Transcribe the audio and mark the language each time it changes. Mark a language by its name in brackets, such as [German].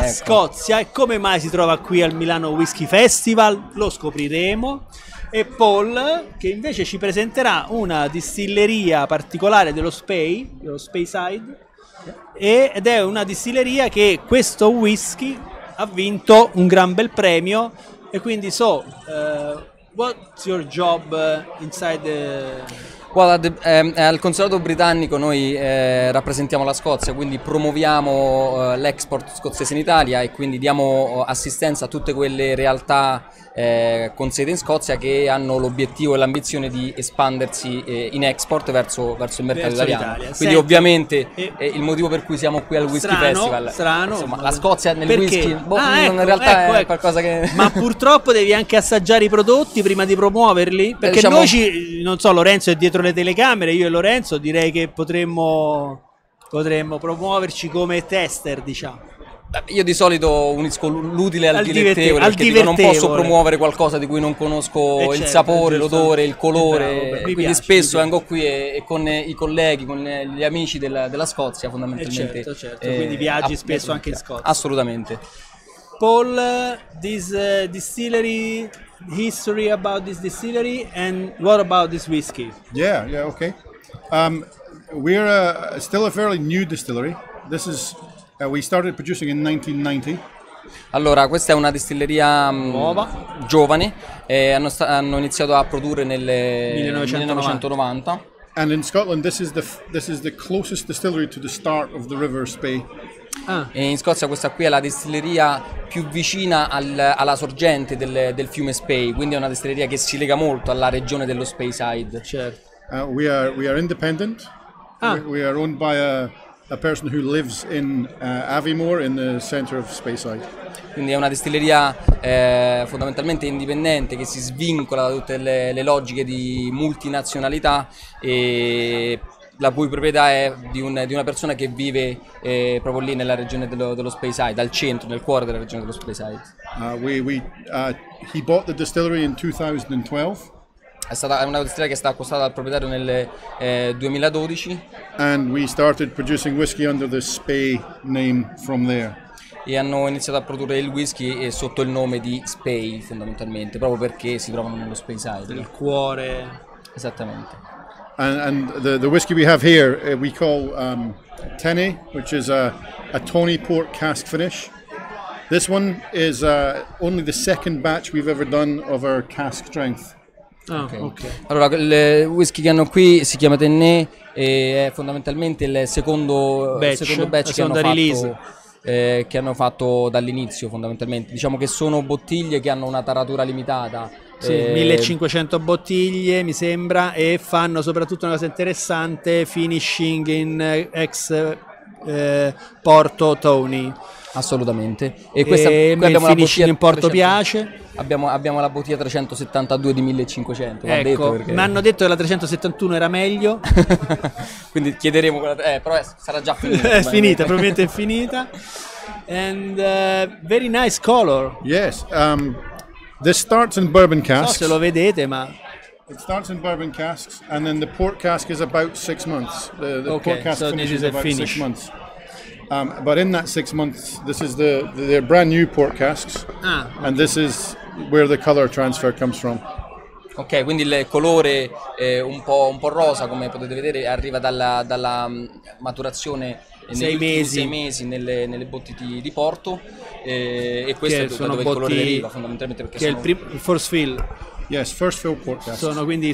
[Italian] La Scozia, e come mai si trova qui al Milano Whisky Festival? Lo scopriremo. E Paul, che invece ci presenterà una distilleria particolare dello Speyside, ed è una distilleria che questo whisky ha vinto un gran bel premio. E quindi [English] what's your job inside the... [Italian] Well, al consolato britannico noi rappresentiamo la Scozia, quindi promuoviamo l'export scozzese in Italia e quindi diamo assistenza a tutte quelle realtà con sede in Scozia che hanno l'obiettivo e l'ambizione di espandersi in export verso il mercato italiano. Quindi senti, ovviamente è il motivo per cui siamo qui al Whisky Festival. Strano, insomma, la Scozia nel whisky in realtà è qualcosa che... Ma purtroppo devi anche assaggiare i prodotti prima di promuoverli, perché Lorenzo è dietro le telecamere, io e Lorenzo direi che potremmo promuoverci come tester, diciamo. Io di solito unisco l'utile al dilettevole, perché dico non posso promuovere qualcosa di cui non conosco sapore, giusto, l'odore, il colore. Spesso vengo qui e con i colleghi, con gli amici della Scozia fondamentalmente. Quindi viaggi spesso anche in Scozia. Assolutamente. [English] Paul, this distillery, history about this distillery and what about this whiskey? Yeah, okay. We're still a fairly new distillery. This is... we started producing in 1990. [Italian] Allora, questa è una distilleria nuova, giovane, e hanno iniziato a produrre nel 1990. [English] And in Scotland this is the closest distillery to the start of the River Spey. [Italian] E in Scozia questa qui è la distilleria più vicina alla sorgente del fiume Spey, quindi è una distilleria che si lega molto alla regione dello Speyside. Certo. [English] We are independent. We are owned by a person who lives in Aviemore in the center of Speyside. [Italian] Quindi è una distilleria fondamentalmente indipendente che si svincola da tutte le logiche di multinazionalità e la cui proprietà è di una persona che vive proprio lì nella regione dello Speyside, al centro, nel cuore della regione dello Speyside. [English] He bought the distillery in 2012. [Italian] È una distilleria che è stata acquistata dal proprietario nel 2012. [English] And we started producing whisky under the Spey name from there. [Italian] E hanno iniziato a produrre il whisky sotto il nome di Spey, fondamentalmente, proprio perché si trovano nello Speyside. Il cuore. Esattamente. [English] And the whisky we have here we call Tenny, which is a Tawny Port cask finish. This one is only the second batch we've ever done of our cask strength. Okay. [Italian] Allora, il whisky che hanno qui si chiama Tenné e è fondamentalmente il secondo batch che hanno fatto dall'inizio, fondamentalmente. Diciamo che sono bottiglie che hanno una taratura limitata. Sì, 1500 bottiglie, mi sembra, e fanno soprattutto una cosa interessante, finishing in ex Porto Tawny. Assolutamente. E questa qui abbiamo la bottiglia in Porto Piace. Abbiamo la bottiglia 372 di 1500. Ecco, mi hanno detto che la 371 era meglio. Quindi chiederemo quella, però sarà già finita. È finita, probabilmente è finita. [English] And very nice color. Yes. This starts in bourbon casks. [Italian] Non so se lo vedete, ma [English] it starts in bourbon casks and then the port cask is about 6 months. Port cask finishes about 6 months. But in that 6 months, this is the brand new port casks, and this is where the color transfer comes from. [Italian] Ok, quindi il colore un po' rosa, come potete vedere, arriva dalla maturazione sei mesi nelle bottiglie di porto, e questo è dove il colore arriva fondamentalmente, perché è il first fill. [English] Yes, first fill port cask.